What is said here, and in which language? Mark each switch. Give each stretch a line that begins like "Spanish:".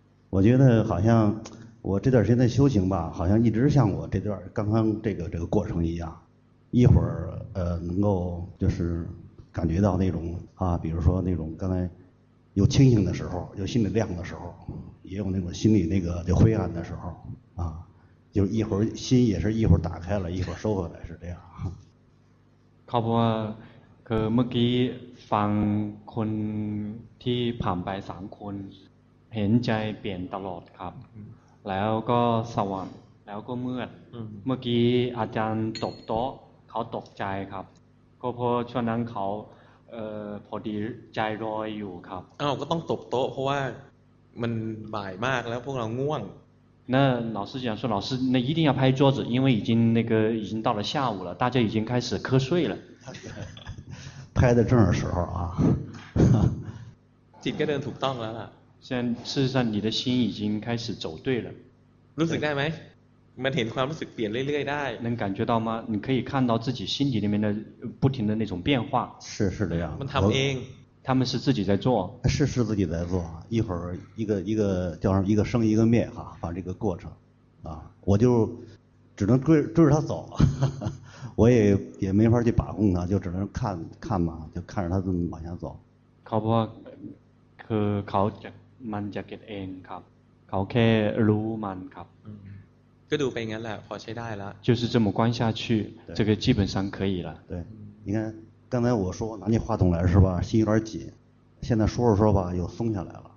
Chinese: 我觉得好像我这段时间的修行吧好像一直像我这段刚刚这个过程一样一会儿能够就是感觉到那种啊比如说那种刚才有清醒的时候有心里亮的时候也有那种心里那个就灰暗的时候啊就一会儿心也是一会儿打开了一会儿收回来是这样
Thai: ครับว่าคือเมื่อกี้ฟังคนที่ผ่านไป3คนเห็นใจเปลี่ยนตลอดครับแล้วก็สว่างแล้วก็มืดเมื่อกี้อาจารย์ตบโต๊ะเขาตกใจครับก็เพราะช่วงนั้นเขาพอดีใจรอยอยู่ครับ อ้าวก็ต้องตบโต๊ะเพราะว่ามันบ่ายมากแล้วพวกเราง่วง
Chinese: 那老师讲说老师那一定要拍桌子因为已经那个已经到了下午了大家已经开始瞌睡了拍的正时候啊紧跟着土荡了现在事实上你的心已经开始走对了
Thai: รู้สึกได้ไหมมันเห็นความรู้สึกเปลี่ยนเรื่อยๆได้
Chinese: 能感觉到吗你可以看到自己心底里面的不停的那种变化是是这样
Thai: มันทำเอง
Chinese: 他们是自己在做，是自己在做。一会儿一个叫什么一个生一个灭哈，把这个过程，啊，我就只能追着他走，呵呵我也没法去把控他，就只能看看嘛，就看着他这么往下走。
Thai: เขาบอกคือเขาจะมันจะเกิดเองครับเขาแค่รู้มันครับ ก็ดูไปงั้นแหละพอใช้ได้แล้ว
Chinese: 就是这么观下去，这个基本上可以了。对，你看。刚才我说拿你话筒来是吧心有点紧现在说着说吧又松下来了